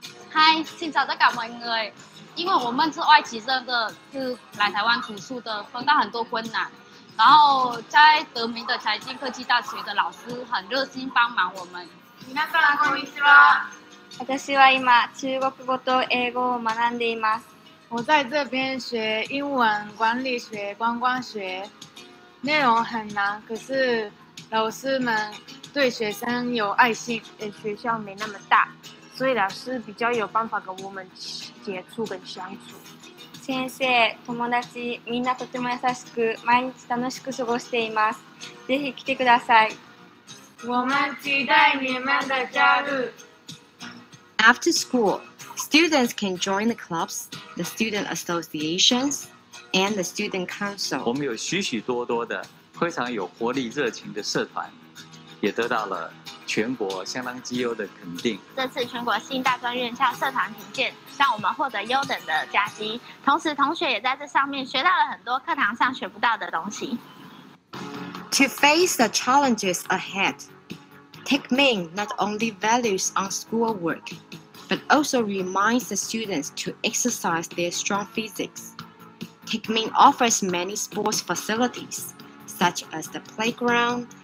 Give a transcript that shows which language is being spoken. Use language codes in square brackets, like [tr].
[zh] 嗨，新找到感恩哎，因为我们是外籍生的，是来台湾读书的，碰到很多困难，然后在德明的财经科技大学的老师很热心帮忙我们。 [ja] 皆さんこんにちは。私は今中国語と英語を学んでいます。 [zh] 我在这边学英文、管理学、观光学，内容很难，可是老师们对学生有爱心，学校没那么大。所以老师比较有办法跟我们接触跟相处。 [ja] 先生、友達、みんなとても優しく、毎日楽しく過ごしています。ぜひ来てください。 [zh] 我们期待你们的加入。 [en] After school, students can join the clubs, the student associations, and the student council. [zh] 我们有许许多多的非常有活力、热情的社团，也得到了。全国相当绩优的肯定。这次全国新大专院校社团评鉴，让我们获得优等的佳绩。同时，同学也在这上面学到了很多课堂上学不到的东西。 [en] To face the challenges ahead, Takming not only values on schoolwork, but also reminds the students to exercise their strong physics. Takming offers many sports facilities, such as the playground.